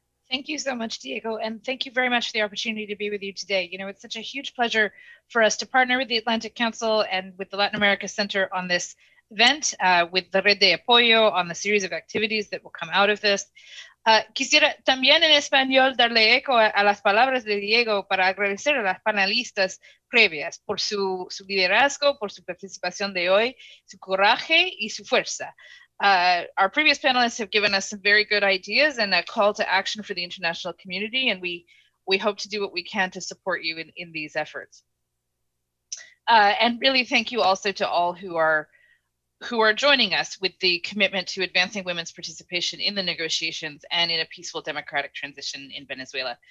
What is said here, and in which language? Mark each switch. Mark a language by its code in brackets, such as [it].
[en] Thank you so much, Diego, and thank you very much for the opportunity to be with you today. You know, it's such a huge pleasure for us to partner with the Atlantic Council and with the Latin America Center on this event, with the Red de Apoyo on the series of activities that will come out of this. [es] Quisiera también en español darle eco a las palabras de Diego para agradecer a las panelistas previas por su liderazgo, por su participación de hoy, su coraje y su fuerza. [en] Our previous panelists have given us some very good ideas and a call to action for the international community, and we hope to do what we can to support you in these efforts. And really thank you also to all who are who are joining us with the commitment to advancing women's participation in the negotiations and in a peaceful democratic transition in Venezuela.